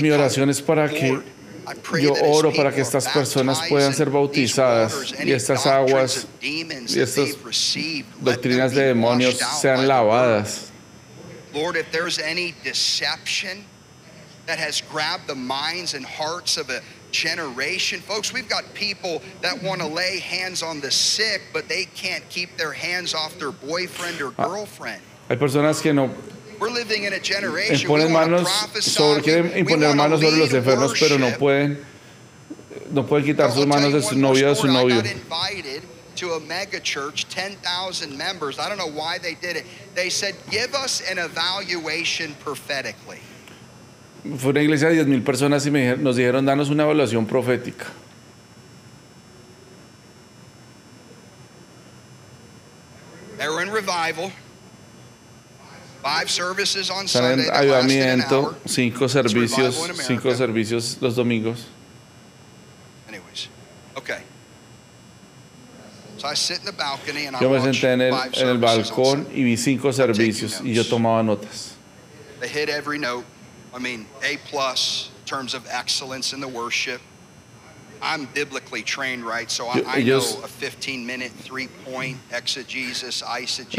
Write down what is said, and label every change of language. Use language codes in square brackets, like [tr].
[es] Mi oración es para que yo oro para que estas personas puedan ser bautizadas y estas aguas y estas doctrinas de demonios sean lavadas. [en] Lord, if there's any deception that has grabbed the minds and hearts of a generation, folks, we've got people that want to lay hands on the sick, but they can't keep their hands off their boyfriend or girlfriend. [es] Hay personas que no. [en] We're living in a generation. [es] Imponen manos sobre, quieren imponer manos sobre los enfermos, pero no pueden quitar sus manos de su novia o su novio. [en] To a mega church, 10,000 members. I don't know why they did it. They said, give us an evaluation prophetically. [es] Fue una iglesia de 10,000 personas y nos dijeron, danos una evaluación profética. [en] They were in revival. Five services on Sunday. [es] Están en avivamiento, cinco servicios los domingos. [en] Anyways, okay. So I sit in the balcony and [es] yo me senté en el balcón y vi cinco servicios y yo tomaba notas. [en] They hit every note. I mean, A+ in terms of excellence in the worship. I'm biblically trained, right? So [es] ellos, [en] I know a 15-minute three-point exegesis, eisegesis.